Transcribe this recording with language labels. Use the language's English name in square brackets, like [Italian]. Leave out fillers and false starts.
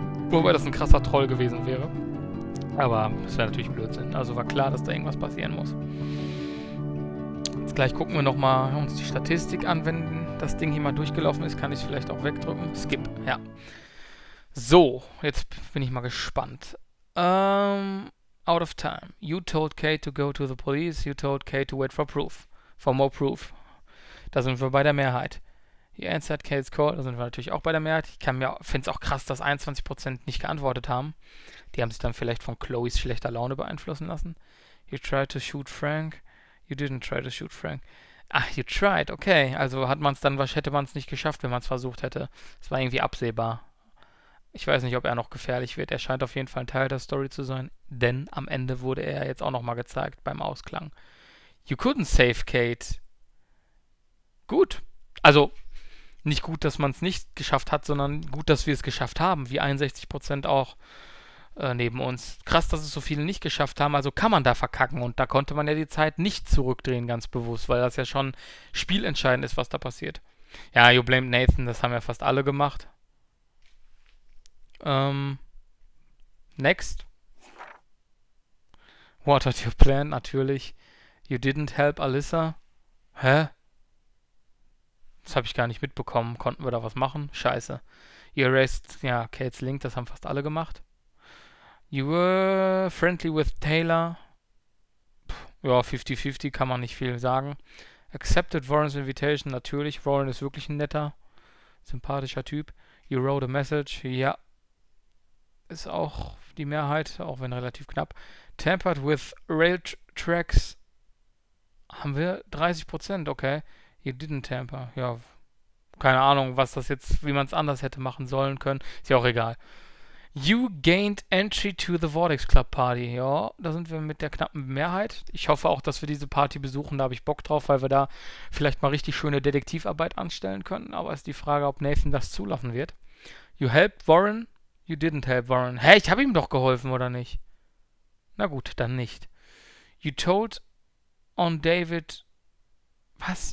[German] Wobei das ein krasser Troll gewesen wäre. Aber es wäre natürlich Blödsinn. Also war klar, dass da irgendwas passieren muss. Jetzt gleich gucken wir nochmal uns die Statistik an. Wenn das Ding hier mal durchgelaufen ist, kann ich es vielleicht auch wegdrücken. Skip, ja. So, jetzt bin ich mal gespannt. [English] Out of time. You told Kate to go to the police. You told Kate to wait for proof. For more proof. [German] Da sind wir bei der Mehrheit. [English] You answered Kate's call. [German] Da sind wir natürlich auch bei der Mehrheit. Ich finde es auch krass, dass 21% nicht geantwortet haben. Die haben sich dann vielleicht von Chloes schlechter Laune beeinflussen lassen. [English] You tried to shoot Frank. You didn't try to shoot Frank. Ach, you tried. Okay. [German] Also hat man es dann, hätte man es nicht geschafft, wenn man es versucht hätte. Es war irgendwie absehbar. Ich weiß nicht, ob er noch gefährlich wird. Er scheint auf jeden Fall ein Teil der Story zu sein. Denn am Ende wurde er jetzt auch nochmal gezeigt beim Ausklang. [English] You couldn't save Kate. Gut. [German] Also, nicht gut, dass man es nicht geschafft hat, sondern gut, dass wir es geschafft haben. Wie 61% auch neben uns. Krass, dass es so viele nicht geschafft haben. Also kann man da verkacken. Und da konnte man ja die Zeit nicht zurückdrehen, ganz bewusst. Weil das ja schon spielentscheidend ist, was da passiert. Ja, [English] you blamed Nathan. [German] Das haben ja fast alle gemacht. [English] Next. What had you planned? Natürlich. You didn't help Alyssa. Hä? [German] Das habe ich gar nicht mitbekommen. Konnten wir da was machen? Scheiße. [English] You erased, [German] ja, Kate's Link, das haben fast alle gemacht. [English] You were friendly with Taylor. [German] Puh, ja, 50-50, kann man nicht viel sagen. [English] Accepted Warren's invitation, [German] natürlich. Warren ist wirklich ein netter, sympathischer Typ. [English] You wrote a message, [German] ja. Ist auch die Mehrheit, auch wenn relativ knapp. [English] Tampered with rail tracks. [German] Haben wir 30%, okay. [English] You didn't tamper. [German] Ja, keine Ahnung, was das jetzt, wie man es anders hätte machen sollen können. Ist ja auch egal. [English] You gained entry to the Vortex Club Party. [German] Ja, da sind wir mit der knappen Mehrheit. Ich hoffe auch, dass wir diese Party besuchen. Da habe ich Bock drauf, weil wir da vielleicht mal richtig schöne Detektivarbeit anstellen können. Aber ist die Frage, ob Nathan das zulassen wird. [English] You helped Warren. You didn't help Warren. [German] Hä, ich habe ihm doch geholfen, oder nicht? Na gut, dann nicht. [English] You told on David... [German] Was?